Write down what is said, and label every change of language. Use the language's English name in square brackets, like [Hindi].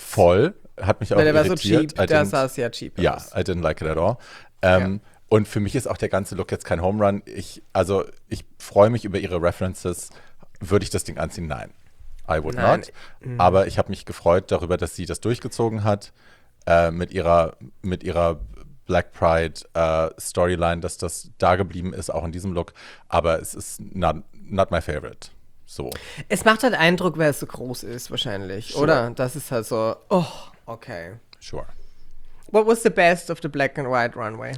[German] Voll, hat mich auch irritiert. Weil der war so cheap, der sah sehr cheap aus. [English] Ja, yeah, I didn't like it at all. [German] Und für mich ist auch der ganze Look jetzt kein Home Run. Ich freue mich über ihre References. Würde ich das Ding anziehen? Nein, [English] I would not. [German] Aber ich habe mich gefreut darüber, dass sie das durchgezogen hat. Mit ihrer Black Pride Storyline, dass das da geblieben ist, auch in diesem Look. Aber es ist [English] not my favorite. [German] So. Es macht halt Eindruck, weil es so groß ist, wahrscheinlich. Sure. Oder? Das ist halt so, oh, okay. [English] Sure. What was the best of the black and white runway?